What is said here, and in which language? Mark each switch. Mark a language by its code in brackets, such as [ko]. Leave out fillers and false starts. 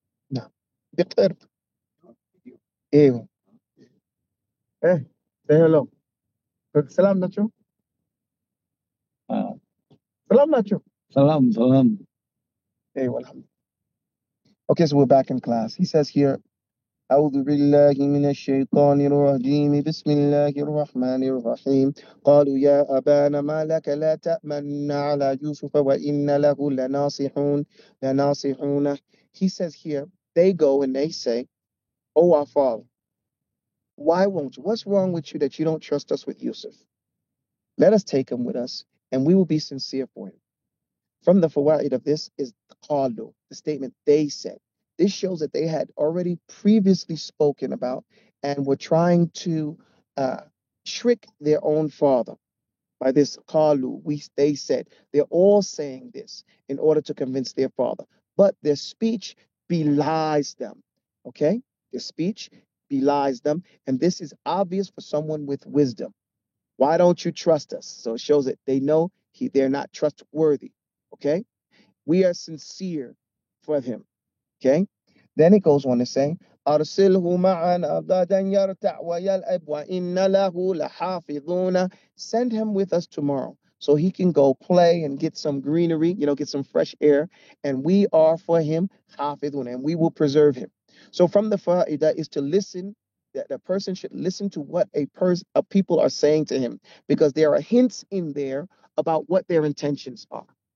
[en] No. Hey. Hey, say hello. Salam, Nacho. Salam, Nacho. Salam. Hey, welcome. Okay, so we're back in class. He says here, [ar] أعوذ بالله من الشيطان الرجيم بسم الله الرحمن الرحيم قالوا يا أبانا ما لك لا تأمن على يوسف وإن له لناصحون. [en] He says here, they go and they say, oh, our father, why won't you? What's wrong with you that you don't trust us with Yusuf? Let us take him with us and we will be sincere for him. From the fawaid of this is qalu, the statement they said. This shows that they had already previously spoken about and were trying to trick their own father by this qalu, they said. They're all saying this in order to convince their father. But their speech belies them, okay? Their speech belies them. And this is obvious for someone with wisdom. Why don't you trust us? So it shows that they know they're not trustworthy. Okay, we are sincere for him. Okay, then it goes on to say, [ar] أرسله معنا غدا يرتع ويلعب وإن له لحافظون. [en] Send him with us tomorrow so he can go play and get some greenery, you know, get some fresh air. And we are for him حافظون, and we will preserve him. So from the fa'idah is to listen, that a person should listen to what a people are saying to him, because there are hints in there about what their intentions are.